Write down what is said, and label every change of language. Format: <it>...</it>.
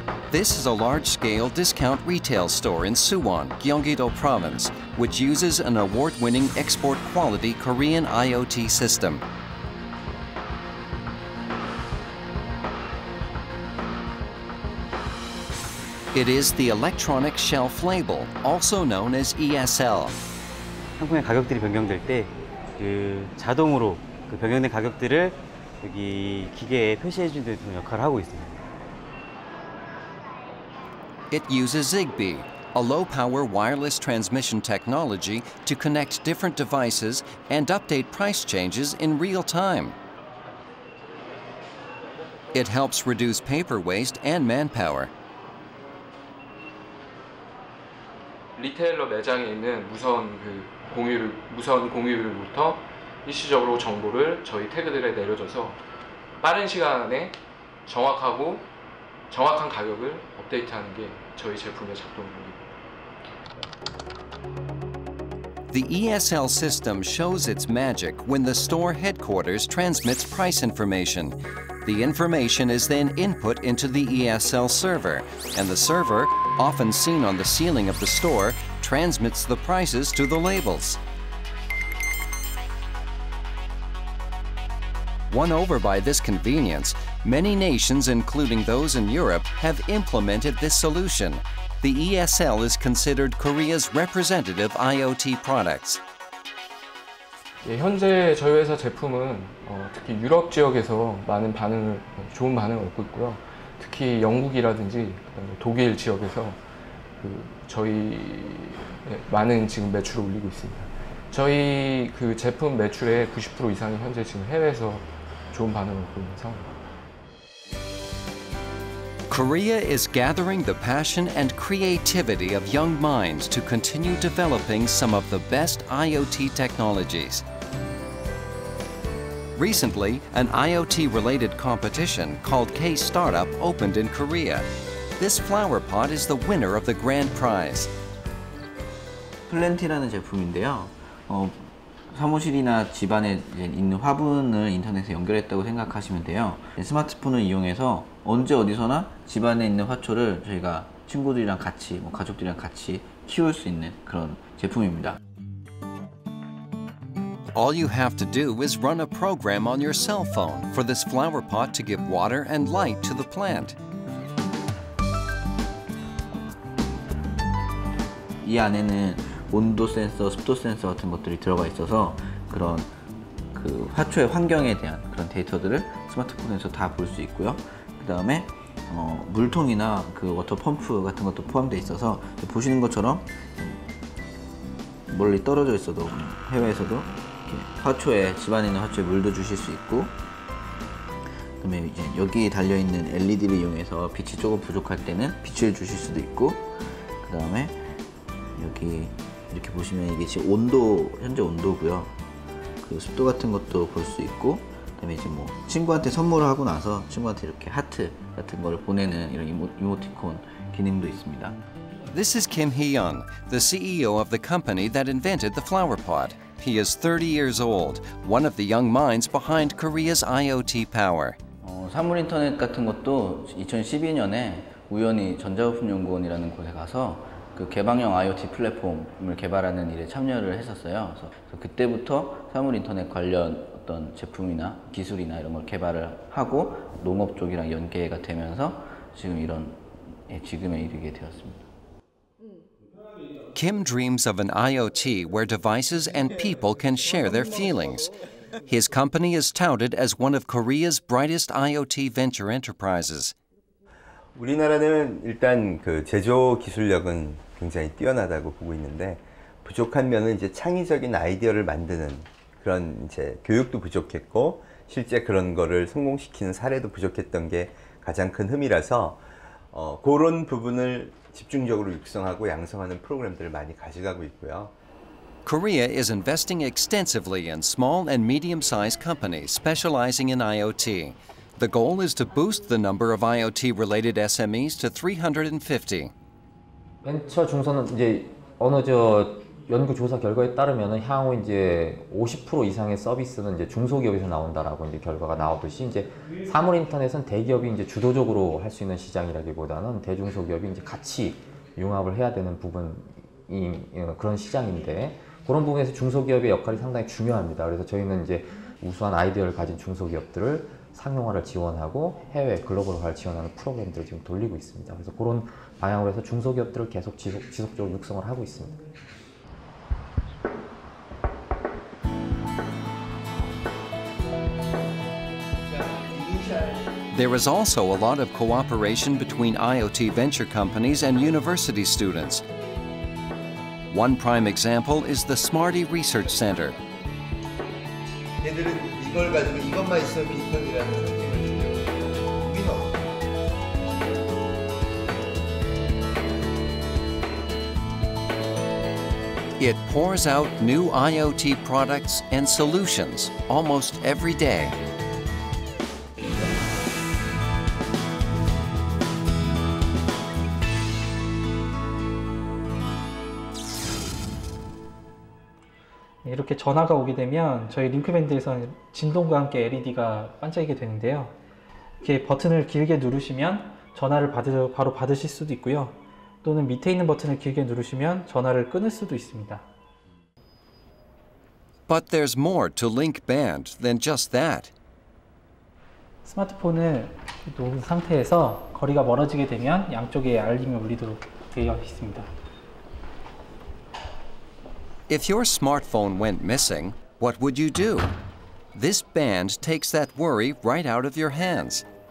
<en>This is a large-scale discount retail store in Suwon, Gyeonggi-do Province, which uses an award-winning export-quality Korean IoT system. It is the electronic shelf label, also known as ESL.</en> <ko>상품의 가격들이 변경될 때 그 자동으로 그 변경된 가격들을 여기 기계에 표시해 주는 역할을 하고 있습니다.</ko> <en>It uses Zigbee, a low-power wireless transmission technology to connect different devices and update price changes in real time. It helps reduce paper waste and manpower.</en> <ko>리테일러 매장에 있는 무선 공유부터 일시적으로 정보를 저희 태그들에 내려줘서 빠른 시간에 정확하고 정확한 가격을 업데이트하는 게 저희 제품의 작동입니다.</ko> <en>The ESL system shows its magic when the store headquarters transmits price information. The information is then input into the ESL server, and the server, often seen on the ceiling of the store, transmits the prices to the labels. Won over by this convenience, many nations, including those in Europe, have implemented this solution. The ESL is considered Korea's representative IoT products.</en> <ko>예, 현재 저희 회사 제품은 특히 유럽 지역에서 많은 반응을 좋은 반응을 얻고 있고요. 특히 영국이라든지 독일 지역에서 그 저희 많은 지금 매출을 올리고 있습니다. 저희 그 제품 매출의 90% 이상이 현재 지금 해외에서 좋은 반응을 얻고 있는 상황입니다.</ko> <en>Korea is gathering the passion and creativity of young minds to continue developing some of the best IoT technologies. Recently, an IoT-related competition called K-Startup opened in Korea. This flower pot is the winner of the grand prize.</en> <ko>Plenty라는 제품인데요. 사무실이나 집안에 있는 화분을 인터넷에 연결했다고 생각하시면 돼요. 스마트폰을 이용해서 언제 어디서나 집안에 있는 화초를 저희가 친구들이랑 같이, 뭐 가족들이랑 같이 키울 수 있는 그런 제품입니다.</ko> <en>All you have to do is run a program on your cell phone for this flower pot to give water and light to the plant.</en> <ko>이 안에는 온도 센서, 습도 센서 같은 것들이 들어가 있어서 그런 그 화초의 환경에 대한 그런 데이터들을 스마트폰에서 다 볼 수 있고요. 그다음에 물통이나 그 워터 펌프 같은 것도 포함되어 있어서 보시는 것처럼 멀리 떨어져 있어도 해외에서도 이렇게 화초에 집안에 있는 화초에 물도 주실 수 있고 그다음에 이제 여기 달려 있는 LED를 이용해서 빛이 조금 부족할 때는 빛을 주실 수도 있고 그다음에 여기 이렇게 보시면 이게 지금 온도 현재 온도고요. 그 습도 같은 것도 볼 수 있고 그다음에 이제 뭐 친구한테 선물을 하고 나서 친구한테 이렇게 하트 같은 걸 보내는 이런 이모티콘 기능도 있습니다.</ko> <en>This is Kim Hee-yun, the CEO of the company that invented the flower pot. He is 30 years old, one of the young minds behind Korea's IoT power.</en> <ko>사물 인터넷 같은 것도 2012년에 우연히 전자부품 연구원이라는 곳에 가서 그 개방형 IoT 플랫폼을 개발하는 일에 참여를 했었어요. 그래서 그때부터 사물 인터넷 관련 어떤 제품이나 기술이나 이런 걸 개발을 하고 농업 쪽이랑 연계가 되면서 지금 이런 지금에 이르게 되었습니다.</ko> <en>Kim dreams of an IoT where devices and people can share their feelings. His company is touted as one of Korea's brightest IoT venture enterprises.</en> <ko>우리나라는 일단 그 제조 기술력은 굉장히 뛰어나다고 보고 있는데 부족한 면은 이제 창의적인 아이디어를 만드는 그런 이제 교육도 부족했고 실제 그런 거를 성공시키는 사례도 부족했던 게 가장 큰 흠이라서 그런 부분을 집중적으로 육성하고 양성하는 프로그램들을 많이 가져가고 있고요.</ko> <en>Korea is investing extensively in small and medium-sized companies specializing in IoT. The goal is to boost the number of IoT-related SMEs to 350.</en> <ko>벤처 중소는 이제 어느 저 연구 조사 결과에 따르면은 향후 이제 50% 이상의 서비스는 이제 중소기업에서 나온다라고 이제 결과가 나오듯이 이제 사물 인터넷은 대기업이 이제 주도적으로 할 수 있는 시장이라기보다는 대중소기업이 이제 같이 융합을 해야 되는 부분이 그런 시장인데 그런 부분에서 중소기업의 역할이 상당히 중요합니다. 그래서 저희는 이제 우수한 아이디어를 가진 중소기업들을 상용화를 지원하고 해외 글로벌로 갈 지원하는 프로그램들을 지금 돌리고 있습니다. 그래서 그런 방향으로 해서 중소기업들을 계속 지속적으로 육성을 하고 있습니다.</ko> <en>There is also a lot of cooperation between IoT venture companies and university students. One prime example is the Smarty Research Center.</en> <ko>이걸 가지고 이것만 있어 비컨이라는 위너. 위너.</ko> <en>It pours out new IoT products and solutions almost every day.</en> <ko>이렇게 전화가 오게 되면 저희 링크밴드에서는 진동과 함께 LED가 반짝이게 되는데요. 이렇게 버튼을 길게 누르시면 전화를 바로 받으실 수도 있고요. 또는 밑에 있는 버튼을 길게 누르시면 전화를 끊을 수도 있습니다.</ko> <en>But there's more to link band than just that.</en> <ko>스마트폰을 놓은 상태에서 거리가 멀어지게 되면 양쪽에 알림이 울리도록 되어 있습니다.</ko> <en>If your smartphone went missing, what would you do? This band takes that worry right out of your hands.</en>